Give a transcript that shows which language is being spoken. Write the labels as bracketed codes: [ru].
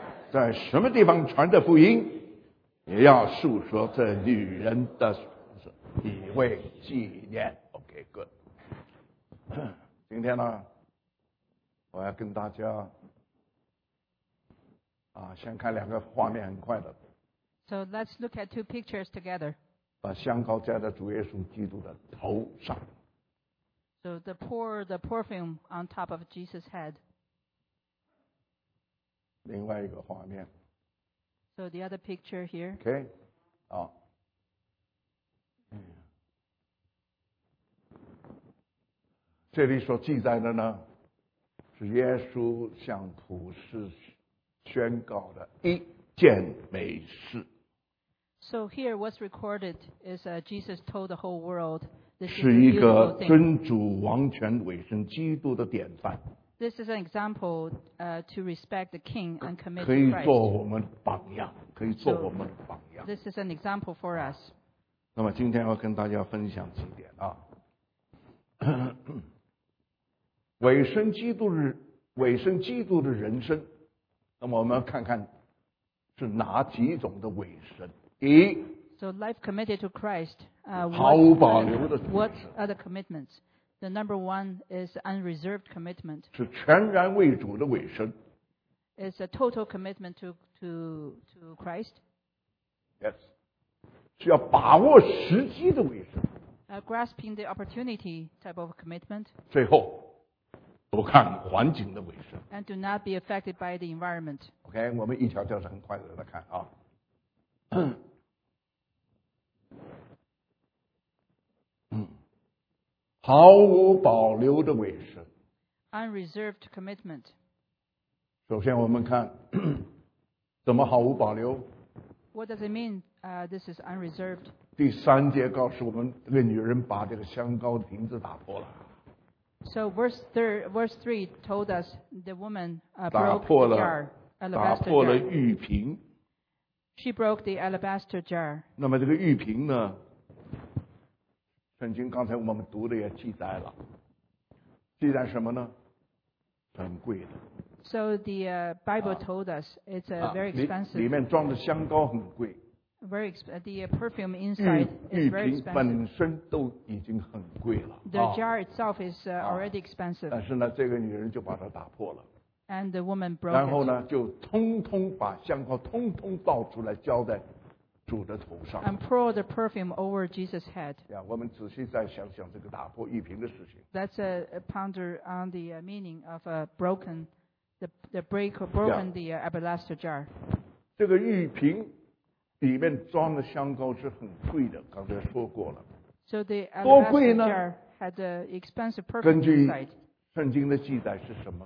[zh] 在什么地方传的福音，也要述说这女人的以为纪念。 [en] OK, good。 [zh] 今天呢，我要跟大家先看两个画面，很快的。 [en] So let's look at two pictures together. [zh] 把香膏浇在主耶稣基督的头上。 [en] So the perfume on top of Jesus' head. [zh] 另外一个画面。 [en] So the other picture here. Okay. [zh] 这里所记载的呢，是耶稣向普世宣告的一件美事。 [en] So here what's recorded is Jesus told the whole world this is a beautiful thing. [zh] 是一个尊主王权委身基督的典范。 [en] This is an example to respect the king and commit to [zh] Christ. 可以做我们的榜样，可以做我们的榜样。 [en] So, this is an example for us. [zh] 那么今天要跟大家分享几点啊。委身基督的人生，那么我们要看看是哪几种的委身。一 [en] ，So life committed to Christ, [zh] 毫无保留的。 [en] What are the commitments? The number one is unreserved commitment. [zh] 是全然为主的委身。 [en] It's a total commitment to Christ. [zh] Yes, 是要把握时机的委身。 [en] Grasping the opportunity type of commitment. [zh] 最后，不看环境的委身。 [en] And do not be affected by the environment. [zh] OK, 我们一条条很快的来看啊。毫无保留的委身。 [en] Unreserved commitment. [zh] 首先我们看怎么毫无保留。 [en] What does it mean, this is unreserved? [zh] 第三节告诉我们，那个女人把这个香膏的瓶子打破了。 [en] So verse 3 told us the woman broke the jar, alabaster jar. [zh] 打破了玉瓶。 [en] She broke the alabaster jar. [zh] 那么这个玉瓶呢，圣经刚才我们读的也记载了。记载什么呢？很贵的。 [en] So the Bible told us it's very expensive. [zh] 里面装的香膏很贵。 [en] The perfume inside is very expensive. [zh] 玉瓶本身都已经很贵了。 [en] The jar itself is already expensive. [zh] 但是呢，这个女人就把它打破了。 [en] And the woman broke it. [zh] 然后呢，就通通把香膏通通倒出来，浇在主的头上。 [en] And poured the perfume over Jesus' head. [zh] 呀，我们仔细再想想这个打破玉瓶的事情。 [en] Let's ponder on the meaning of a broken, the break or broken the alabaster jar. [zh] 这个玉瓶里面装的香膏是很贵的，刚才说过了。 [en] So the alabaster jar had an expensive perfume inside. [zh] 根据圣经的记载是什么？